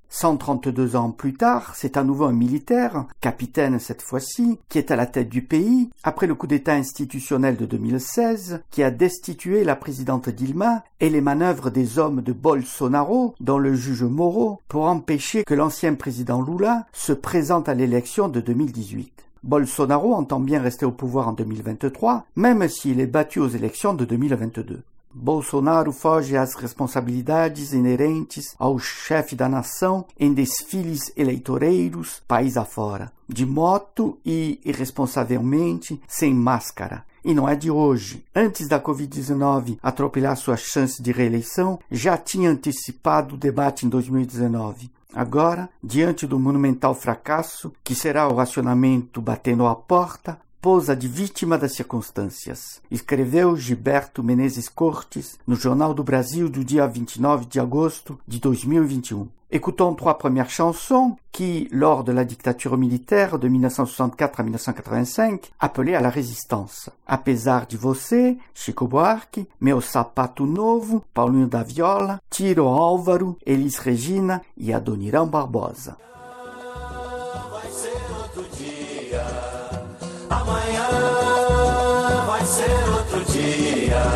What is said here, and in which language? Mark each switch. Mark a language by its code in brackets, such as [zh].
[fr] 132 ans plus tard, c'est à nouveau un militaire, capitaine cette fois-ci, qui est à la tête du pays, après le coup d'état institutionnel de 2016, qui a destitué la présidente Dilma et les manœuvres des hommes de Bolsonaro, dont le juge Moro, pour empêcher que l'ancien président Lula se présente à l'élection de 2018. Bolsonaro entend bien rester au pouvoir en 2023, même s'il est battu aux élections de 2022. [pt] Bolsonaro foge às responsabilidades inerentes ao chefe da nação em desfiles eleitoreiros país afora, de moto e irresponsavelmente sem máscara. E não é de hoje. Antes da Covid-19 atropelar sua chance de reeleição, já tinha antecipado o debate em 2019. Agora, diante do monumental fracasso, que será o racionamento batendo à porta, posa de vítima das circunstâncias, escreveu Gilberto Menezes Cortes no Jornal do Brasil do dia 29 de agosto de 2021. [fr] Écoutons trois premières chansons qui, lors de la dictature militaire de 1964 à 1985, appelaient à la résistance. [pt] Apesar de você, Chico Buarque, Meu Sapato Novo, Paulinho da Viola, Tiro Álvaro, Elis Regina e Adoniran Barbosa. Amanhã vai ser outro dia. Amanhã vai ser outro dia.